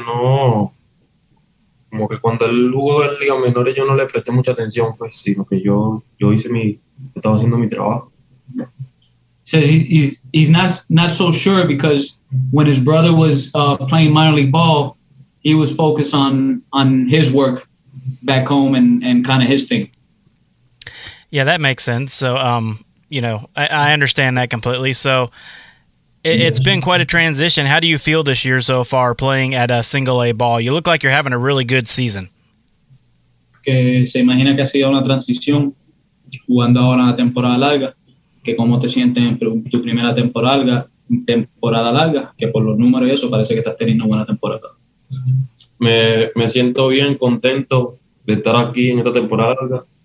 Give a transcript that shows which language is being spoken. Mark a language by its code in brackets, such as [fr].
[es] No, como que cuando él jugó en Liga Menores yo no le presté mucha atención, pues, sino que yo hice mi, yo estaba haciendo mi trabajo. [en] Says he's not so sure because when his brother was playing minor league ball, he was focused on his work back home and kind of his thing. Yeah, that makes sense. So, you know, I understand that completely. So it's been quite a transition. How do you feel this year so far playing at a single A ball? You look like you're having a really good season. [es] Que se imagina que ha sido una transición jugando ahora una temporada larga. Que cómo te sientes en tu primera temporada larga, que por los números y eso parece que estás teniendo buena temporada. Me siento bien, contento de estar aquí en esta temporada larga.